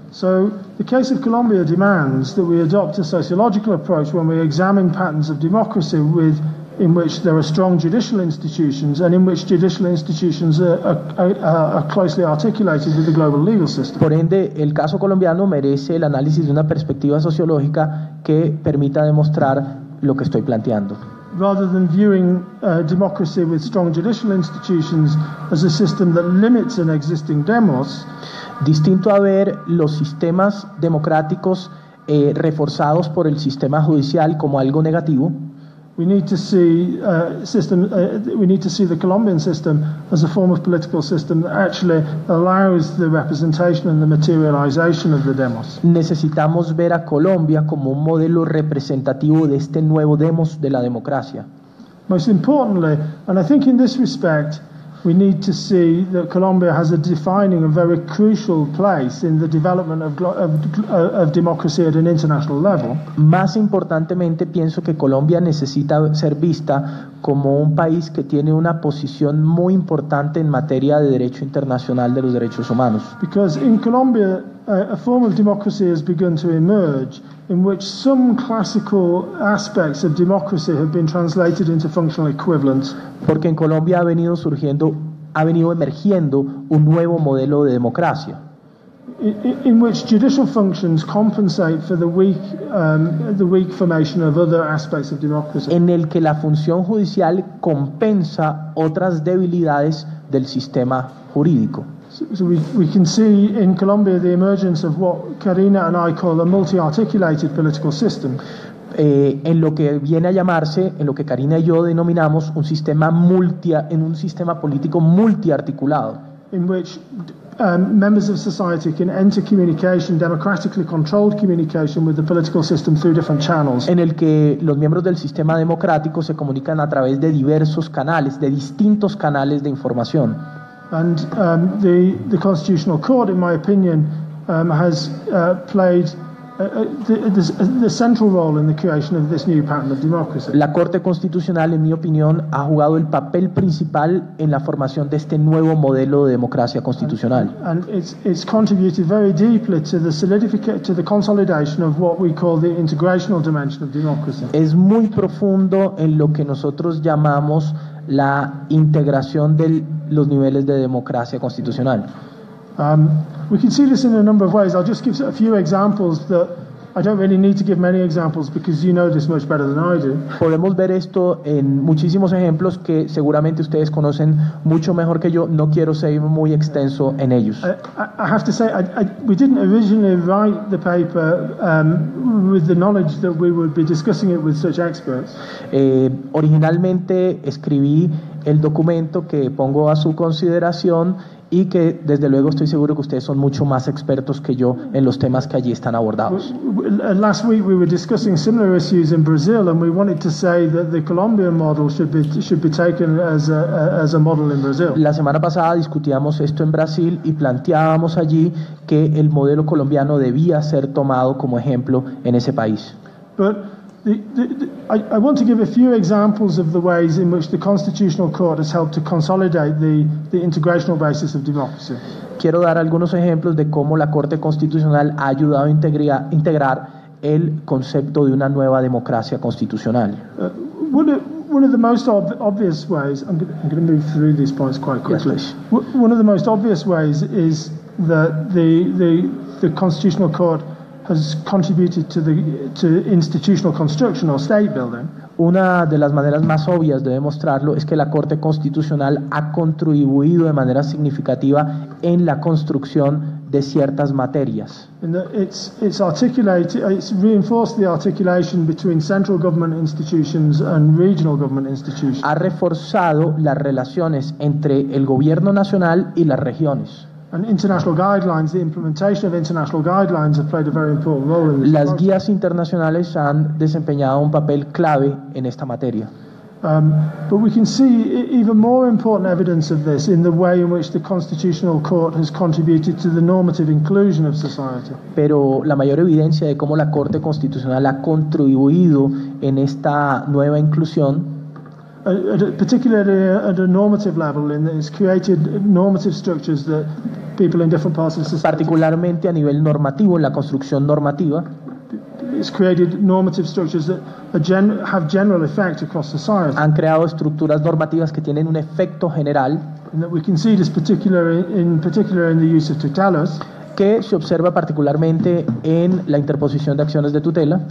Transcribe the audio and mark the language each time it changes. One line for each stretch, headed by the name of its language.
English: So the case of Colombia demands that we adopt a sociological approach when we examine patterns of democracy with in which there are strong judicial institutions and in which judicial institutions are closely articulated with the global legal system.
Spanish: Por ende, el caso colombiano merece el análisis de una perspectiva sociológica que permita demostrar lo que estoy planteando.
English: Rather than viewing democracy with strong judicial institutions as a system that limits an existing demos,
Spanish: distinto a ver los sistemas democráticos reforzados por el sistema judicial como algo negativo,
English: we need to see the Colombian system as a form of political system that actually allows the representation and the materialization of the demos.
Spanish: Necesitamos ver a Colombia como un modelo representativo de este nuevo demos de la democracia.
English: Most importantly, and I think in this respect, we need to see that Colombia has a defining and very crucial place in the development of democracy at an international level.
Spanish: Más importantemente, pienso que Colombia necesita ser vista como un país que tiene una posición muy importante en materia de derecho internacional de los derechos humanos.
English: Because in Colombia, a form of democracy has begun to emerge in which some classical aspects of democracy have been translated into functional equivalents.
Spanish: Porque en Colombia ha venido emergiendo un nuevo modelo de democracia.
English: In which judicial functions compensate for the weak formation of other aspects of democracy.
Spanish: En el que la función judicial compensa otras debilidades del sistema jurídico.
English: So we can see in Colombia the emergence of what Karina and I call a multi-articulated political system.
Spanish: En lo que viene a llamarse, en lo que Karina y yo denominamos un sistema político multiarticulado.
English: In which members of society can enter communication, democratically controlled communication with the political system through different channels.
Spanish: En el que los miembros del sistema democrático se comunican a través de diversos canales, de distintos canales de información.
English: And the Constitutional Court, in my opinion, has played the central role in the creation of this new pattern of democracy.
Spanish: La Corte Constitucional, en mi opinión, ha jugado el papel principal en la formación de este nuevo modelo de democracia constitucional.
English: And it's contributed very deeply to the consolidation of what we call the integrational dimension of democracy.
Spanish: Es muy profundo en lo que nosotros llamamos la integración de los niveles de democracia constitucional.
English: We can see this in a number of ways. I'll just give a few examples that I don't really need to give many examples because you know this much better than I do.
Spanish: Podemos ver esto en muchísimos ejemplos que seguramente ustedes conocen mucho mejor que yo. No quiero ser muy extenso en ellos.
English: I have to say, we didn't originally write the paper with the knowledge that we would be discussing it with such experts.
Spanish: Originalmente escribí el documento que pongo a su consideración y que desde luego estoy seguro que ustedes son mucho más expertos que yo en los temas que allí están abordados.
English: Last week we were discussing similar issues in Brazil and we wanted to say that the Colombian model should be taken as a model in Brazil.
Spanish: La semana pasada discutíamos esto en Brasil y planteábamos allí que el modelo colombiano debía ser tomado como ejemplo en ese país.
English: But I want to give a few examples of the ways in which the Constitutional Court has helped to consolidate the integrational basis of democracy.
Spanish: Quiero dar algunos ejemplos de cómo la Corte Constitucional ha ayudado a integrar el concepto de una nueva democracia constitucional.
English: One of the most obvious ways, I'm going to move through these points quite quickly. Yes, one of the most obvious ways is that the Constitutional Court has contributed to institutional construction or state building.
Spanish: Una de las maneras más obvias de demostrarlo es que la Corte Constitucional ha contribuido de manera significativa en la construcción de ciertas materias.
English: It's reinforced the articulation between central government institutions and regional government institutions.
Spanish: Ha reforzado las relaciones entre el gobierno nacional y las regiones.
English: And international guidelines, the implementation of international guidelines have played a very important role in this.
Spanish: Las guías internacionales han desempeñado un papel clave en esta materia.
English: But we can see even more important evidence of this in the way in which the Constitutional Court has contributed to the normative inclusion of society.
Spanish: Pero la mayor evidencia de cómo la Corte Constitucional ha contribuido en esta nueva inclusión,
English: particularly at a normative level, in that it's created normative structures that people in different parts of society,
Spanish: particularmente a nivel normativo, en la construcción normativa,
English: has created normative structures that have general effect across society.
Spanish: Han creado estructuras normativas que tienen un efecto general.
English: And that we can see this particular in the use of tutelas.
Spanish: Que se observa particularmente en la interposición de acciones de tutela.